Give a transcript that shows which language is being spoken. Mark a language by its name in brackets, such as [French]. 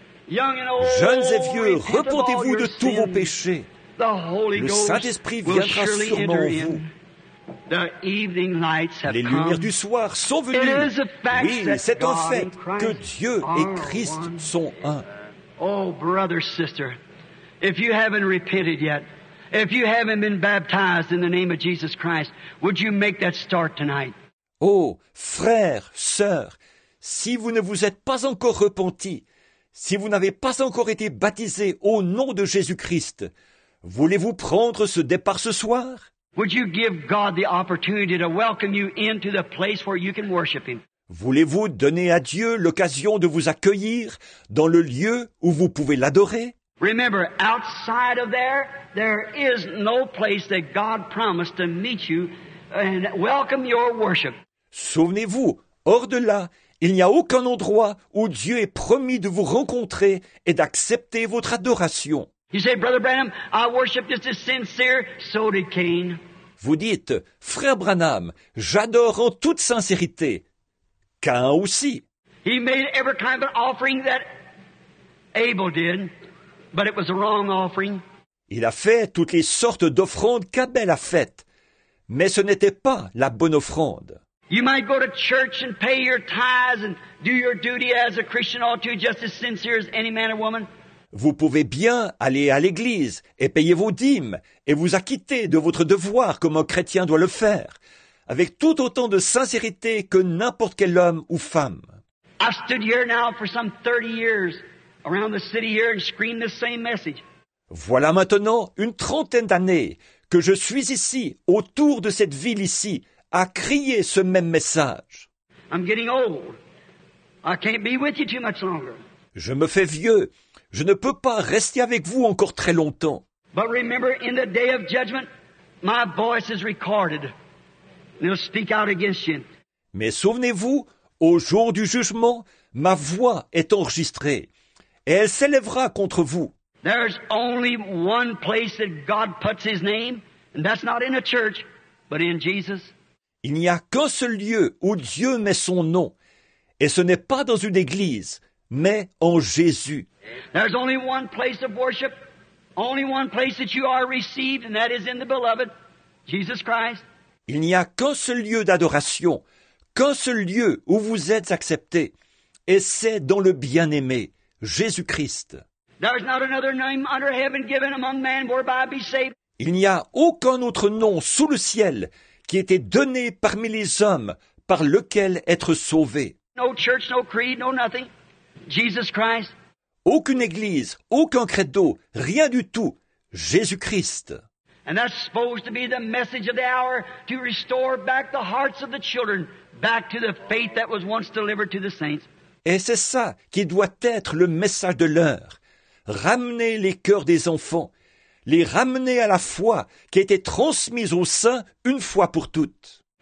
[French] Jeunes et vieux, repentez-vous de tous vos péchés. Le Saint-Esprit viendra sûrement en vous. Les lumières du soir sont venues. Oui, c'est un fait que Dieu et Christ sont un. [English] Oh, brother, sister, if you haven't repented yet, if you haven't been baptized in the name of Jesus Christ, would you make that start tonight? [French] Oh, frère, sœur, si vous ne vous êtes pas encore repenti, si vous n'avez pas encore été baptisé au nom de Jésus-Christ, voulez-vous prendre ce départ ce soir? [English] Would you give God the opportunity to welcome you into the place where you can worship him? [French] Voulez-vous donner à Dieu l'occasion de vous accueillir dans le lieu où vous pouvez l'adorer? [English] Remember, outside of there, there is no place that God promised to meet you and welcome your worship. [French] Souvenez-vous, hors de là, il n'y a aucun endroit où Dieu ait promis de vous rencontrer et d'accepter votre adoration. [English] You say, Brother Branham, I worship just as sincere, so did Cain. [French] Vous dites, Frère Branham, j'adore en toute sincérité. Cain aussi. [English] He made every kind of offering that Abel did. But it was a wrong offering. [French] Il a fait toutes les sortes d'offrandes qu'Abel a faites, mais ce n'était pas la bonne offrande. [English] You might go to church and pay your tithes and do your duty as a Christian ought to, just as sincere as any man or woman. [French] Vous pouvez bien aller à l'église et payer vos dîmes et vous acquitter de votre devoir comme un chrétien doit le faire, avec tout autant de sincérité que n'importe quel homme ou femme. [English] I've stood here now for some 30 years. Around the city here and scream the same message. [French] Voilà maintenant une trentaine d'années que je suis ici, autour de cette ville ici, à crier ce même message. [English] I'm getting old. I can't be with you too much longer. [French] Je me fais vieux. Je ne peux pas rester avec vous encore très longtemps. [English] But remember, in the day of judgment, my voice is recorded. They'll speak out against you. [French] Mais souvenez-vous, au jour du jugement, ma voix est enregistrée. Et elle s'élèvera contre vous. [English] There's only one place that God puts his name, and that's not in a church, but in Jesus. [French] Il n'y a qu'un seul lieu où Dieu met son nom, et ce n'est pas dans une église, mais en Jésus. [English] There's only one place of worship, only one place that you are received, and that is in the Beloved, Jesus Christ. [French] Il n'y a qu'un seul lieu d'adoration, qu'un seul lieu où vous êtes accepté, et c'est dans le bien-aimé. Jésus-Christ. [English] There's not another name under heaven given among men whereby be saved. [French] Il n'y a aucun autre nom sous le ciel qui était donné parmi les hommes par lequel être sauvé. [English] No church, no creed, no nothing. Jesus Christ. [French] Aucune église, aucun credo, rien du tout. Jésus-Christ. [English] And that's supposed to be the message of the hour to restore back the hearts of the children back to the faith that was once delivered to the saints. [French] Et c'est ça qui doit être le message de l'heure. Ramener les cœurs des enfants, les ramener à la foi qui a été transmise aux saints une fois pour toutes.